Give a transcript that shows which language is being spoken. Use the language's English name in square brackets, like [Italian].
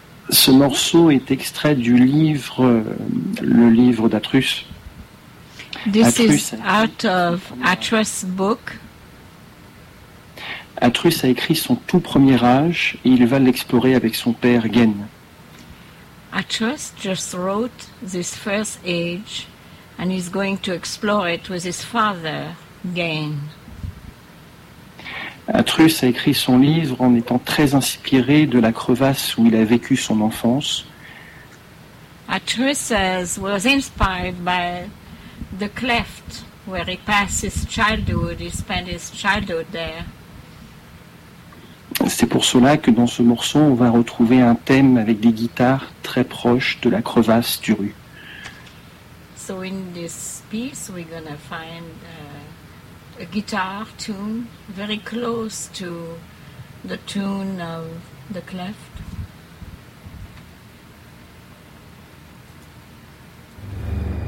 [French] Ce morceau est extrait du livre, le livre d'Atrus. [English] This is out of Atrus' book. [French] Atrus a écrit son tout premier âge et il va l'explorer avec son père Gen. [English] Atrus just wrote this first age and he's going to explore it with his father, Gain. [French] Atrus a écrit son livre en étant très inspiré de la crevasse où il a vécu son enfance. [English] Atrus was inspired by the cleft where he passed his childhood, he spent his childhood there. [French] C'est pour cela que dans ce morceau, on va retrouver un thème avec des guitares très proches de la crevasse du rue. [English] So in this piece, we're going to find a guitar tune very close to the tune of the cleft.